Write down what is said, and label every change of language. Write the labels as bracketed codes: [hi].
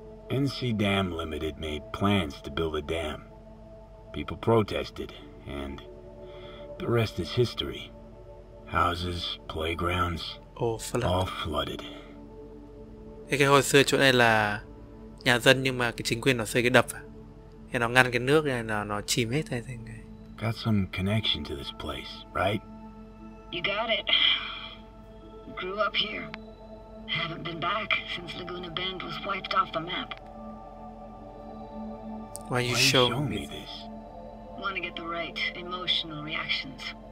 [en] NC Dam Limited made plans to build a dam. People protested, and the rest is history. Houses, playgrounds, all flooded. [vi] Cái hồi xưa chỗ này là nhà dân nhưng mà cái chính quyền nó xây cái đập, thì nó ngăn cái nước này nó chìm hết thành cái. [en] Got some connection to this place, right? You got it. Grew up here. Haven't been back since Laguna Bend was wiped off the map. Why you showing me this? Want to get the right emotional reactions.